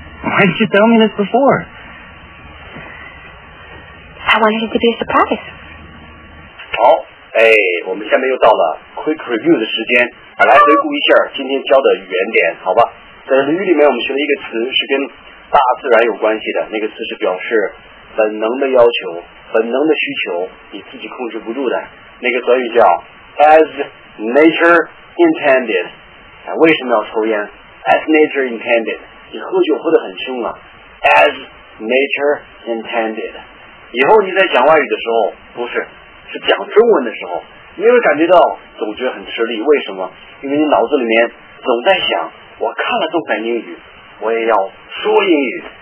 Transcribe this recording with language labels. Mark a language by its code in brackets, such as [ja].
[en] Why didn't you tell me this before? I wanted it to be a surprise. [zh] 好，哎，我们下面又到了 [en] quick review [zh] 的时间，来回顾一下今天教的语言点，好吧？在日语里面，我们学了一个词是跟大自然有关系的，那个词是表示本能的要求、本能的需求，你自己控制不住的。那个短语叫 [en] as nature intended。 [zh] 为什么要抽烟 ？ [en] As nature intended， [zh] 你喝酒喝得很凶啊 ？As nature intended， 以后你在讲外语的时候，不是，是讲中文的时候，你有感觉到总觉得很吃力，为什么？因为你脑子里面总在想，我看了东北英语，我也要说英语。